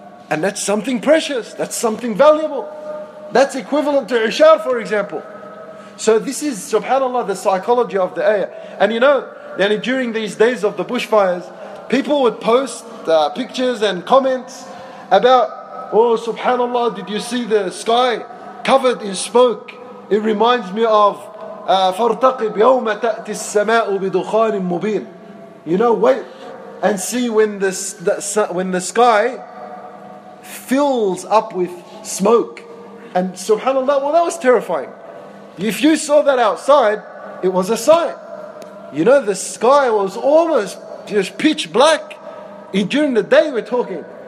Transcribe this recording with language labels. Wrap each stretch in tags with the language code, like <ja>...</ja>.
<en>And that's something precious. That's something valuable. That's equivalent to Ishar, for example. So this is, subhanAllah, the psychology of the ayah. And you know, then during these days of the bushfires, people would post pictures and comments about, oh, subhanAllah, did you see the sky covered in smoke? It reminds me of</en> <ar>فَارْتَقِبْ يَوْمَ تَأْتِ السَّمَاءُ بِدُخَانٍ مُبِينٍ.</ar> <en>You know, wait and see when the sky fills up with smoke. And subhanAllah, well, that was terrifying. If you saw that outside, it was a sign. You know, the sky was almost just pitch black during the day we're talking.</en>